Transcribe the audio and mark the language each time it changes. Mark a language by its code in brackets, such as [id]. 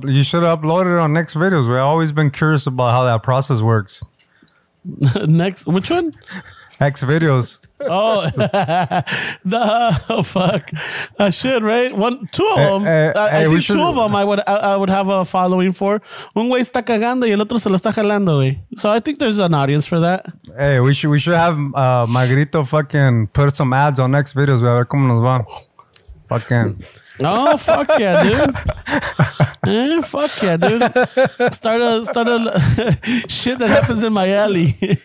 [en] You should have uploaded it on next videos. We've always been curious about how that process works. Next, which one? Next videos. Oh, the fuck. I should, right? Two of them, I would have a following for. [es] Un güey está cagando y el otro se lo está jalando, güey. [en] So I think there's an audience for that. Hey, we should have Magrito fucking put some ads on next videos. [es] A ver cómo nos va. [en] Fucking. Oh, fuck yeah, dude. fuck yeah, dude. Start a shit that happens in my alley.